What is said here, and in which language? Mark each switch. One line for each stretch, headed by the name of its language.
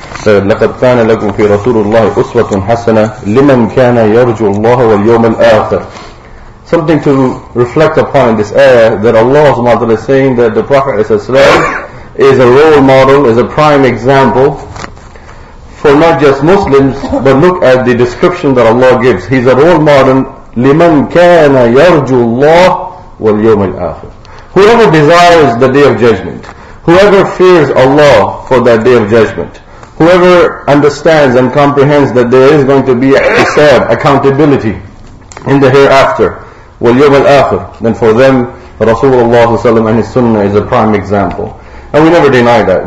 Arabic: لَقَدْ كَانَ لَكُمْ فِي رَسُولُ اللَّهِ أُسْوَةٌ حَسَنَةٌ لِمَنْ كَانَ يَرْجُوا اللَّهَ وَالْيَوْمَ الْآخِرِ.
English: Something to reflect upon in this ayah, that Allah SWT is saying that the Prophet is a role model, is a prime example for not just Muslims, but look at the description that Allah gives. He's a role model,
Arabic: لِمَنْ كَانَ يَرْجُوا اللَّهَ وَالْيَوْمَ الْآخِرِ.
English: Whoever desires the Day of Judgment, whoever fears Allah for that Day of Judgment, whoever understands and comprehends that there is going to be hisab, accountability in the hereafter,
Arabic: وَالْيَوْمَ الْآخِرِ,
English: then for them, Rasulullah ﷺ and his sunnah is a prime example. And we never deny that.